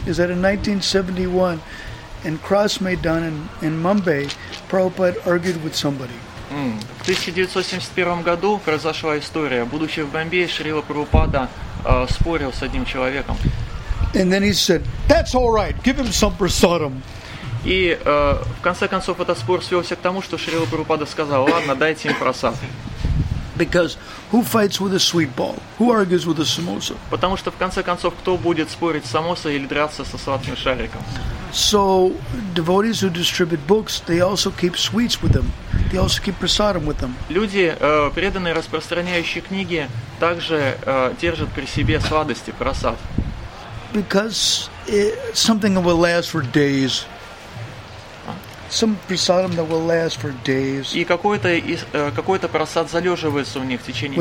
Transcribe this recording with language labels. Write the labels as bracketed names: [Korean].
[English] Is that in 1971, in Cross Maidan in Mumbai, Prabhupada argued with somebody. [Russian] В 1971 году произошла история. Будучи в Бомбее, Шрила Прабхупада спорил с одним человеком. [English] And then he said, "That's all right. Give him some prasadam." [Russian] И в конце концов этот спор свелся к тому, что Шрила Прабхупада сказал: "Ладно, дайте им просад". [English] Because who fights with a sweet ball? Who argues with a samosa? [Russian] Потому что в конце концов кто будет спорить с самосой или драться со сладким шариком? [English] So devotees who distribute books, they also keep sweets with them. They also keep prasadam with them. [Russian] Люди, преданные распространяющие книги, также держат при себе сладости, просад. [English] Because something that will last for days. Some prasadam that will last for days. [Russian] И какой-то просад залеживается у них в течение.